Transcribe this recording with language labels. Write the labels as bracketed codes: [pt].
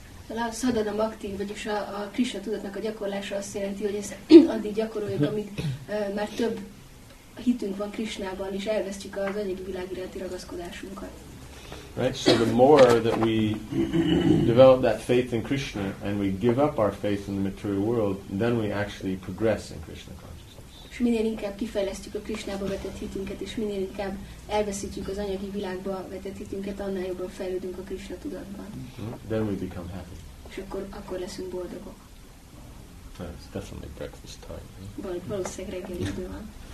[hu] A szadana bhakti, vagyis a Krishna tudatnak a gyakorlása azt jelenti, hogy ezt addig gyakoroljuk, amíg már több hitünk van Krishnában, és elvesztjük az anyagi világ iránti ragaszkodásunkat. [en] Right, so the more that we develop that faith in Krishna and we give up our faith in the material world, then we actually progress in Krishna consciousness. [hu] És minél inkább kifejlesztjük a Krishnába vetett hitünket, és minél inkább elveszítjük az anyagi világba vetett hitünket, annál jobban fejlődünk a Krishna tudatban. [en] Then we become happy. [hu] És akkor leszünk boldogok. [en] It's definitely breakfast time. Right? [hu] Valószínűleg reggel idő van.